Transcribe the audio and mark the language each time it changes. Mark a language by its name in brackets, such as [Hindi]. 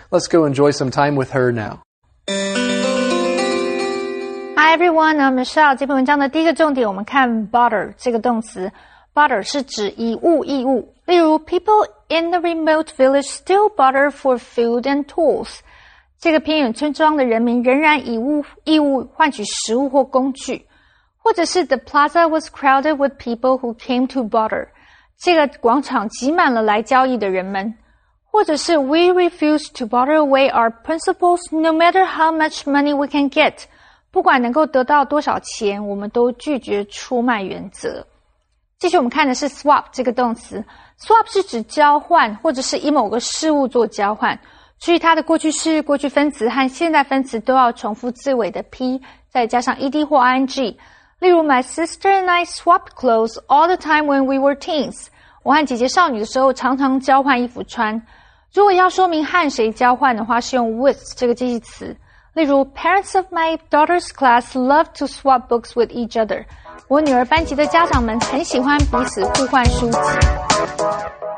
[English] Let's go enjoy some time with her now. Hi everyone, I'm Michelle. [Chinese] 这篇文章的第一个重点，我们看 butter 这个动词。Butter 是指以物易物。例如 [English] ,people in the remote village still butter for food and tools. [Chinese] 这个偏远村庄的人民仍然以物易物换取食物或工具。或者是 [English] the plaza was crowded with people who came to butter. [Chinese] 这个广场挤满了来交易的人们。或者是 [English] we refuse to butter away our principles no matter how much money we can get. [Chinese] 不管能够得到多少钱，我们都拒绝出卖原则。继续我们看的是 swap 这个动词。Swap 是指交换或者是以某个事物做交换。注意它的过去式、过去分词和现在分词都要重复字尾的 P, 再加上 ED 或 ING。例如 [English] ,my sister and I swapped clothes all the time when we were teens. [Chinese] 我和姐姐少女的时候常常交换衣服穿。如果要说明和谁交换的话是用 with 这个介系词。例如 [English] ,parents of my daughter's class love to swap books with each other. [Chinese] 我女儿班级的家长们很喜欢彼此互换书籍。